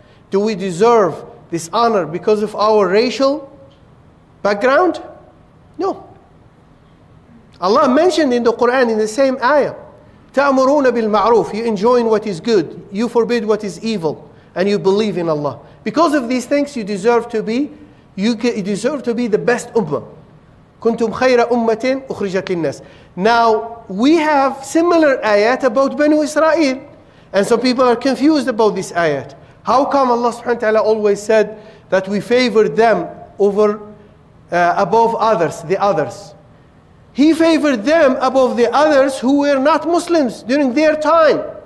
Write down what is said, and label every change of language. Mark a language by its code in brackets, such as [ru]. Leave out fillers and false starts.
[en] Do we deserve this honor because of our racial background? No. Allah mentioned in the Quran in the same ayah, [ar] تأمرون بالمعروف. [en] You enjoin what is good. You forbid what is evil. And you believe in Allah. Because of these things, you deserve to be the best ummah. [ar] كنتم خير أمة أخرجت للناس. [en] Now, we have similar ayat about Banu Israel. And some people are confused about this ayat. How come Allah subhanahu wa ta'ala always said that we favored them above the others? He favored them above the others who were not Muslims during their time.